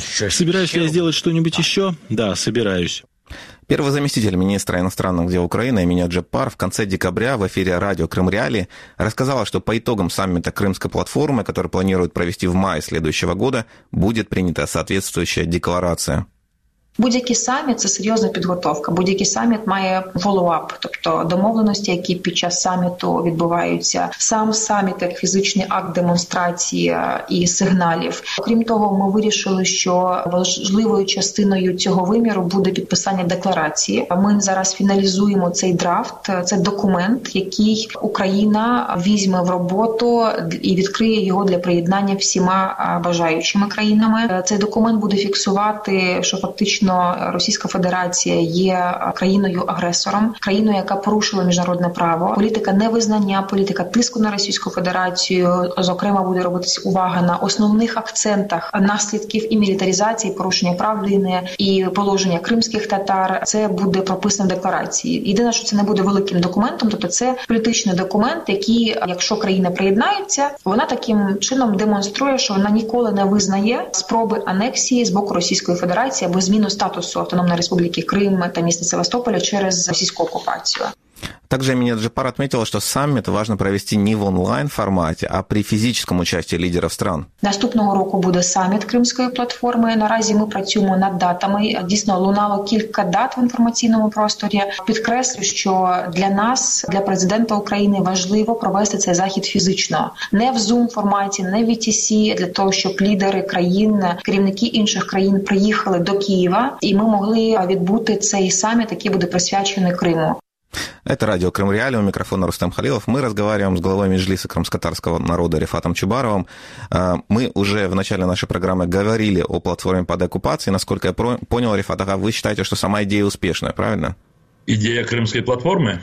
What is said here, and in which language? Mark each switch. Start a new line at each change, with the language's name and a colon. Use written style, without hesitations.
Russian: Собираюсь ли я сделать что-нибудь еще? Да, собираюсь. Первый заместитель министра иностранных дел Украины Эмине Джапар в конце декабря в эфире радио «Крым Реалии» рассказала, что по итогам саммита Крымской платформы, который планируют провести в мае следующего года, будет принята соответствующая декларация.
Ukrainian: Будь-який саміт – це серйозна підготовка. Будь-який саміт має follow-up, тобто домовленості, які під час саміту відбуваються. Сам саміт, як фізичний акт демонстрації і сигналів. Окрім того, ми вирішили, що важливою частиною цього виміру буде підписання декларації. Ми зараз фіналізуємо цей драфт, це документ, який Україна візьме в роботу і відкриє його для приєднання всіма бажаючими країнами. Цей документ буде фіксувати, що фактично Російська Федерація є країною-агресором, країною, яка порушила міжнародне право. Політика невизнання, політика тиску на Російську Федерацію, зокрема, буде робитись увага на основних акцентах наслідків і мілітаризації, порушення прав людини і положення кримських татар. Це буде прописано в декларації. Єдине, що це не буде великим документом, тобто це політичний документ, який, якщо країна приєднається, вона таким чином демонструє, що вона ніколи не визнає спроби анексії з боку Російської Федерації або зміни статусу
Russian: Автономной Республики Крым и
Ukrainian: міста Севастополя через російську окупацію.
Russian: Также Эмине Джапар отметила, что саммит важно провести не в онлайн-формате, а при физическом участии лидеров стран.
Ukrainian: Наступного року буде саміт Кримської платформи. Наразі ми працюємо над датами. Дійсно, лунало кілька дат в інформаційному просторі. Підкреслю, що для нас, для президента України, важливо провести цей захід фізично. Не в Zoom-форматі, не в ETC, для того, щоб лідери країн, керівники інших країн приїхали до Києва, і ми могли відбути цей саміт, який буде присвячений Криму.
Russian: Это радио «Крым Реалии», у микрофона Рустам Халилов. Мы разговариваем с главой Меджлиса крымско-татарского народа Рифатом Чубаровым. Мы уже в начале нашей программы говорили о платформе под оккупацией. Насколько я понял, Рифат, вы считаете, что сама идея успешная, правильно? Идея Крымской платформы?